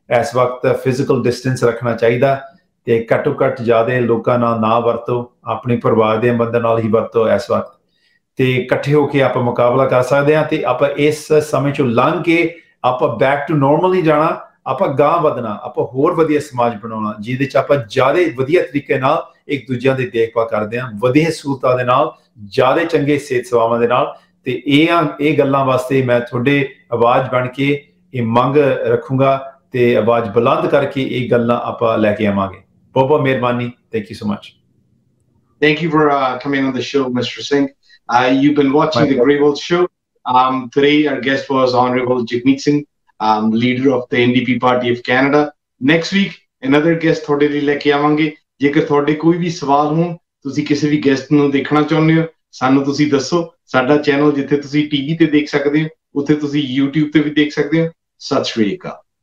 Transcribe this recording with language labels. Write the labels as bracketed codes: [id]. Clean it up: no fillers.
[pa] ਇਸ ਵਕਤ physical distance ਰੱਖਣਾ ਚਾਹੀਦਾ ਤੇ ਘੱਟੋ ਘੱਟ ਜ਼ਿਆਦਾ ਲੋਕਾਂ ਨਾਲ ਨਾ ਵਰਤੋ, ਆਪਣੇ ਪਰਿਵਾਰ ਦੇ ਬੰਦਿਆਂ ਨਾਲ ਹੀ ਵਰਤੋ ਇਸ ਵਕਤ, ਤੇ ਇਕੱਠੇ ਹੋ ਕੇ ਆਪਾਂ ਮੁਕਾਬਲਾ ਕਰ ਸਕਦੇ ਹਾਂ ਤੇ ਆਪਾਂ ਇਸ ਸਮੇਂ ਚੋਂ ਲੰਘ ਕੇ ਆਪਾਂ [en] back to normal [pa] ਹੀ ਜਾਣਾ, ਆਪਾਂ ਗਾਂ ਵਧਣਾ, ਆਪਾਂ ਹੋਰ ਵਧੀਆ ਸਮਾਜ ਬਣਾਉਣਾ ਜਿਹਦੇ 'ਚ ਆਪਾਂ ਜ਼ਿਆਦਾ ਵਧੀਆ ਤਰੀਕੇ ਨਾਲ ਇੱਕ ਦੂਜਿਆਂ ਦੀ ਦੇਖਭਾਲ ਕਰਦੇ ਹਾਂ, ਵਧੀਆ ਸਹੂਲਤਾਂ ਦੇ ਨਾਲ, ਜ਼ਿਆਦਾ ਚੰਗੇ ਸਿਹਤ ਸੇਵਾਵਾਂ ਦੇ ਨਾਲ। ਤੇ ਇਹ ਗੱਲਾਂ ਵਾਸਤੇ ਮੈਂ ਤੁਹਾਡੇ ਆਵਾਜ਼ ਬਣ ਕੇ ਇਹ ਮੰਗ ਰੱਖੂੰਗਾ ਤੇ ਆਵਾਜ਼ ਬੁਲੰਦ ਕਰਕੇ ਇਹ ਗੱਲਾਂ ਆਪਾਂ ਲੈ ਕੇ ਆਵਾਂਗੇ। ਬਹੁਤ ਬਹੁਤ ਮਿਹਰਬਾਨੀ, [en] Thank you so much. Thank you for coming on the show, Mr. Singh. You've been watching the Greywall Show. Today, our guest was Honorable Jagmeet Singh, leader of the NDP Party of Canada. Next week, another guest [pa] ਤੁਹਾਡੇ ਲਈ ਲੈ ਕੇ ਆਵਾਂਗੇ। ਜੇਕਰ ਤੁਹਾਡੇ ਕੋਈ ਵੀ ਸਵਾਲ ਹੋਣ, ਤੁਸੀਂ ਕਿਸੇ ਵੀ ਗੈਸਟ ਨੂੰ ਦੇਖਣਾ ਚਾਹੁੰਦੇ ਹੋ, ਸਾਨੂੰ ਤੁਸੀਂ ਦੱਸੋ। ਸਾਡਾ ਚੈਨਲ ਜਿੱਥੇ ਤੁਸੀਂ ਟੀਵੀ ਤੇ ਦੇਖ ਸਕਦੇ ਹੋ, ਉੱਥੇ ਤੁਸੀਂ ਯੂਟਿਊਬ ਤੇ ਵੀ ਦੇਖ ਸਕਦੇ ਹੋ। ਸਤਿ ਸ਼੍ਰੀ ਅਕਾਲ।